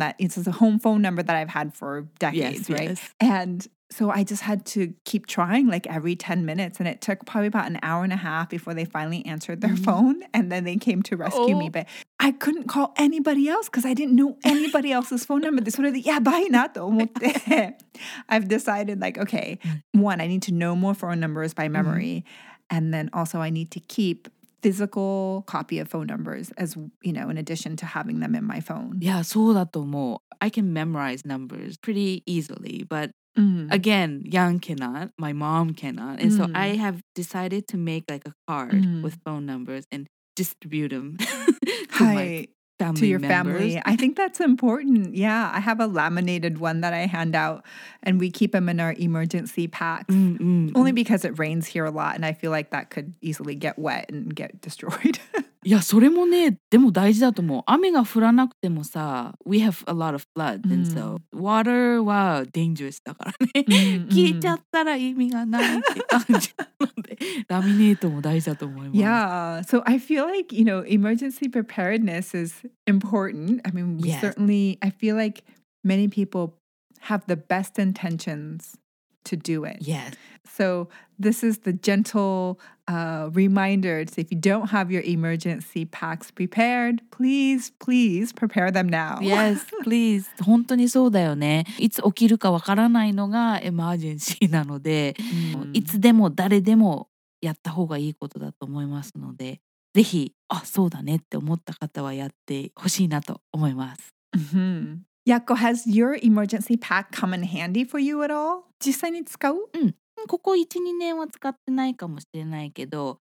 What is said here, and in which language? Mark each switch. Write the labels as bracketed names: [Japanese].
[English] That it's a home phone number that I've had for decades, yes, right? Yes. And so I just had to keep trying like every 10 minutes and it took probably about an hour and a half before they finally answered their mm-hmm. phone and then they came to rescue me. But I couldn't call anybody else because I didn't know anybody else's phone number. [Japanese] それでやばいなと思って。 [English] I've decided like, okay, one, I need to know more phone numbers by memory. Mm-hmm. And then also I need to keep physical copy of phone numbers as, you know, in addition to having them in my phone. Yeah, そうだと思う。 I can memorize numbers pretty easily, but Mm. Again, Yan cannot, my mom cannot. And so mm. I have decided to make like a card mm. with phone numbers and distribute them to Hi, my family to your members. Family. I think that's important. Yeah, I have a laminated one that I hand out and we keep them in our emergency packs. Mm, mm, only mm. because it rains here a lot and I feel like that could easily get wet and get destroyed. [Japanese] いや、それもね、でも大事だと思う。雨が降らなくてもさ、 we have a lot of flood,、 mm. [English] and so water は dangerous だからね。 Mm-hmm. [Japanese] 消えちゃったら意味がないって感じなので、ラミネートも大事だと思います。 [English] Yeah, so I feel like, you know, emergency preparedness is important. I mean, we、yes. certainly, I feel like many people have the best intentions to do it. Yes. So this is the gentle reminder. So if you don't have your emergency packs prepared, please, please prepare them now. [Japanese] Yes, please. 本当にそうだよね。いつ起きるかわからないのがエマージェンシーなので、mm. いつでも誰でもやった方がいいことだと思いますので、ぜひ、あ、そうだねって思った方はやってほしいなと思います。 Mm-hmm. [English] Yakko, has your emergency pack come in handy for you at all? [Japanese] 実際に使う？うん。ここ 1,2 年は使ってないかもしれないけど、